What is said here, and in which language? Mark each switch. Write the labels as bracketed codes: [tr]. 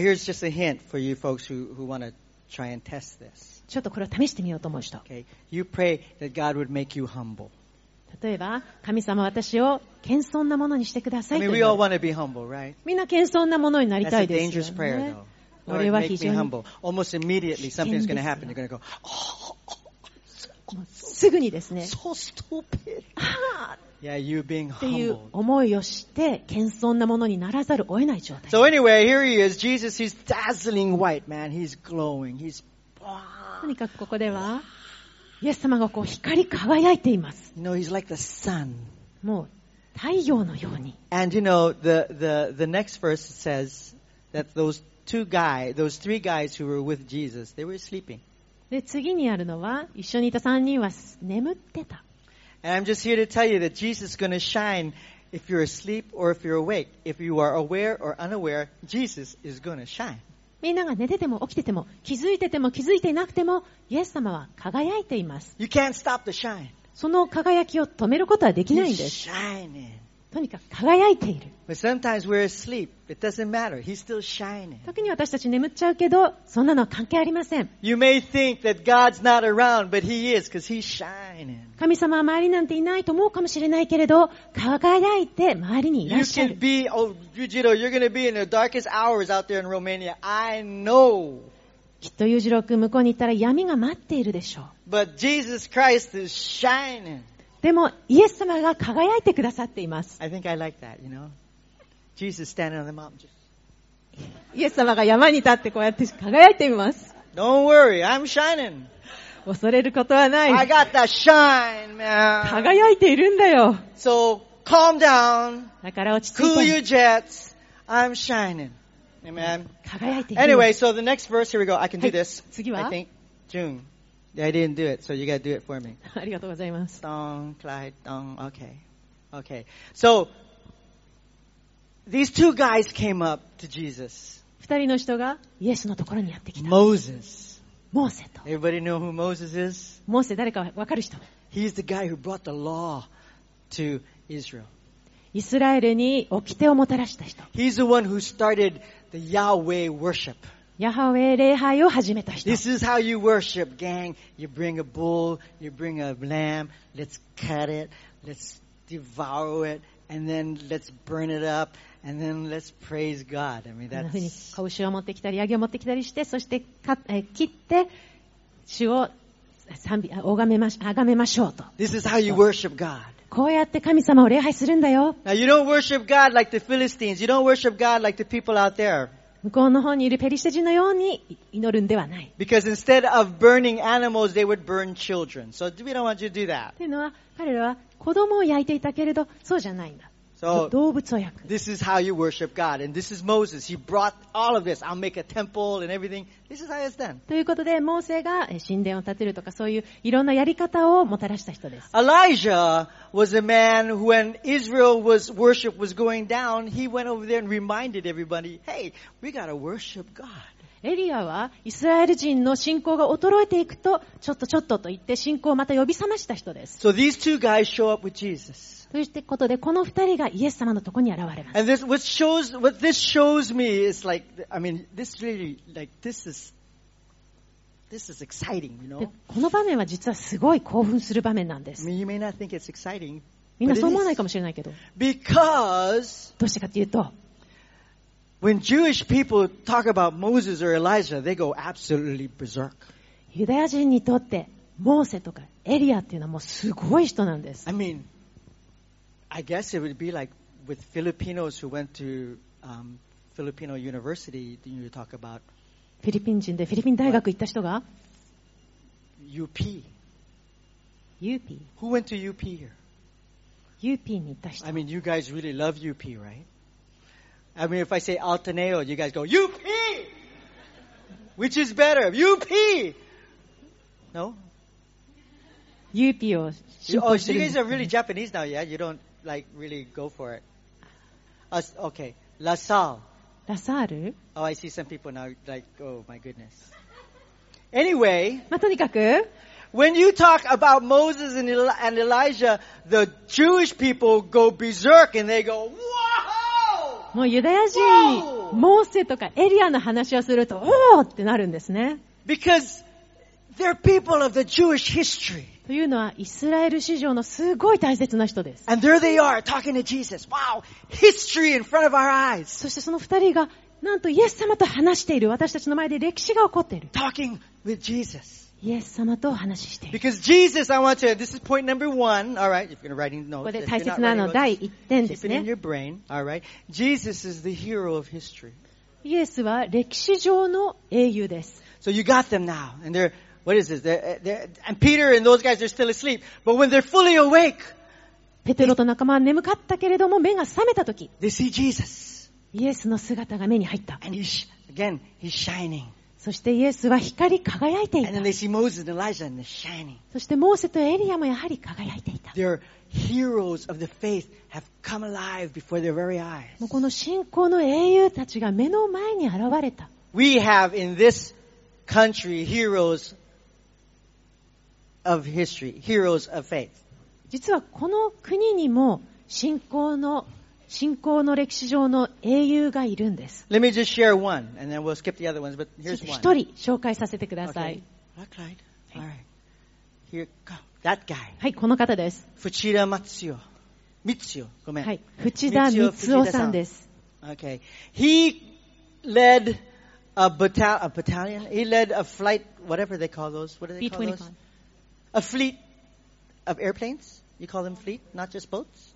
[en] Now here's just a hint for you folks who want to try and test this. [ja] ちょっとこれを試してみようと思う人。 [en] Okay. You pray that God would make you humble. [ja] 例えば神様私を謙遜なものにしてくださ い, [en] い, mean, want to be humble,、right? [ja] みんな謙遜なものになりたいですよね。 [en] That's a dangerous prayer, though. [ja] これは非常に危険です。 [en] Almost immediately something's going to happen. You're going to go, [ja] oh, oh, oh. すぐにですね。 [en] So stupid. Yeah, you being humble. [ja] っていう思いをして謙遜なものにならざるを得ない状態。 [en] So anyway, here he is. Jesus, he's dazzling white, man. He's glowing. He's... [ja] とにかくここではイエス様がこう光り輝いています。 [en] You know, he's like the sun. [ja] もう太陽のように。 [en] And you know, the next verse says that those three guys who were with Jesus, they were sleeping. [ja] で、次にあるのは、一緒にいた三人は眠ってた。 [en] And I'm just here to tell you that Jesus is going to shine if you're asleep or if you're awake. If you are aware or unaware, Jesus is going to shine. [ja] みんなが寝てても起きてても、気づいてても気づいていなくても、イエス様は輝いています。 [en] You can't stop the shine. [ja] その輝きを止めることはできないんです。 [en] He's shining. [ja] とにかく輝いている。 [en] But sometimes we're asleep. It doesn't matter. He's still shining. [ja] 時に私たち眠っちゃうけど、そんなのは関係ありません。 [en] You may think that God's not around, but He is, because He's shining. [ja] 神様は周りなんていないと思うかもしれないけれど、輝いて周りにいらっしゃる。 [en] You can be, oh, Yujiro, you're going to be in the darkest hours out there in Romania. I know. [ja] きっと裕次郎君向こうに行ったら闇が待っているでしょう。 [en] But Jesus Christ is shining. [ja] でもイエス様が輝いてくださっています。 [en] I think I like that, you know? Jesus standing on the mountain just... [ja] イエス様が山に立ってこうやって輝いています。 [en] Don't worry, I'm shining. [ja] 恐れることはない。 [en] I got that shine, man. [ja] 輝いているんだよ。 [en] So calm down. [ja] だから落ち着いて。 [en] Cool your jets. I'm shining. Amen. [ja] 輝いている [en] Anyway, so the next verse, here we go. I can do this. [ja] 次は [en] I think June. I didn't do it, so you gotta do it for me. [ja] ありがとうございます。 [en] Dong, Clyde, Dong. Okay. Okay. So, these two guys came up to Jesus. [ja] 二人の人がイエスのところにやってきた。 [en] Moses. [ja] モーセと。 [en] Everybody know who Moses is? [ja] モーセ誰かわかる人。 [en] He's the guy who brought the law to Israel. [ja] イスラエルに掟をもたらした人。 [en] He's the one who started the Yahweh worship. [ja] ヤハウェ礼拝を始めた人。 [en] This is how you worship, gang. You bring a bull, you bring a lamb, let's cut it, let's devour it, and then let's burn it up, and then let's praise God. I mean, that's. [ja] こういうふうに拳を持ってきたり、ヤギを持ってきたりして、そして切って、主を賛美、崇めましょうと。 [en] This is how you worship God. [ja] こうやって神様を礼拝するんだよ。 [en] Now you don't worship God like the Philistines. You don't worship God like the people out there. [ja] 向こうの方にいるペリシテ人のように祈るんではない。 [en] Because instead of burning animals, they would burn children. So we don't want you to do that. [ja] というのは、彼らは子供を焼いていたけれど、そうじゃないんだ。 [en] So, [ja] 動物を焼く。 [en] This is how you worship God. And this is Moses. He brought all of this. I'll make a temple and everything. This is how it's done. [ja] ということで、モーセが神殿を建てるとか、そういういろんなやり方をもたらした人です。 [en] Elijah was a man who, when Israel's worship was going down, he went over there and reminded everybody, hey, we gotta worship God. [ja] エリアはイスラエル人の信仰が衰えていくと、ちょっとちょっとと言って信仰をまた呼び覚ました人です。 [en] So these two guys show up with Jesus. [ja] ということで、この二人がイエス様のところに現れます。 [en] And this, what this shows me is like, I mean, this really, like, this is exciting, you know? [ja] この場面は実はすごい興奮する場面なんです。 [en] I mean, you may not think it's exciting, [ja] みんなそう思わないかもしれないけど。 [en] Because, [ja] どうしてかというと、 [en] When Jewish people talk about Moses or Elijah, they go absolutely berserk. [ja] ユダヤ人にとってモーセとかエリアっていうのはもうすごい人なんです。 [en] I mean, I guess it would be like with Filipinos who went to Filipino University. Do you talk about? [ja] フィリピン人でフィリピン大学行った人が [en] UP. UP. Who went to UP here? [ja] UP に行った人。 [en] I mean, you guys really love UP, right? I mean, if I say Ateneo, you guys go, UP! Which is better? UP! No? UP or... Oh, you guys are really Japanese now, yeah? You don't, like, really go for it. Okay. La Salle. La Salle? Oh, I see some people now, like, oh, my goodness. Anyway... [ja] まあ、とにかく... [en] When you talk about Moses and Elijah, the Jewish people go berserk and they go, whoa! [ja] もうユダヤ人、モーセとかエリアの話をすると、おーってなるんですね。 [en] Because they're people of the Jewish history. [ja] というのはイスラエル史上のすごい大切な人です。 [en] And there they are talking to Jesus. Wow, history in front of our eyes. [ja] そしてその二人がなんとイエス様と話している。私たちの前で歴史が起こっている。 [en] Talking with Jesus. [ja] イエス様とお話ししている。 [en] Because Jesus, I want to. This is point number one. All right, if you're writing notes. [ja] ここで大切なの第一点ですね。 [en] Keep it in your brain. All right. Jesus is the hero of history. [ja] イエスは歴史上の英雄です。 [en] So you got them now, and they're. What is this? And Peter and those guys are still asleep. But when they're fully awake, [ja] ペテロと仲間は眠かったけれども目が覚めた時、 [en] they see Jesus. [ja] イエスの姿が目に入った。 [en] And he's shining. [ja] そしてイエスは光り輝いていた。 [en] And then they see Moses and Elijah and they're shining. [ja] そしてモーセとエリアもやはり輝いていた。 [en] Their heroes of the faith have come alive before their very eyes. [ja] もうこの信仰の英雄たちが目の前に現れた。 [en] We have in this country heroes. Of history, heroes of faith. [ja] 実はこの国にも信仰の歴史上の英雄がいるんです。 [en] Let me just share one, and then we'll skip the other ones. But here's one. [ja] 一人紹介させてください。 [en] Okay. All right. Here go. That guy. [ja] はい、この方です。 [en] Fuchida Matsuo. Mitsuo. [ja] ごめん。はい、Fuchida Mitsuo さんです。 [en] Okay. He led a battalion. He led a flight, whatever they call those. What do they call those? B-25. A fleet of airplanes. You call them fleet, not just boats.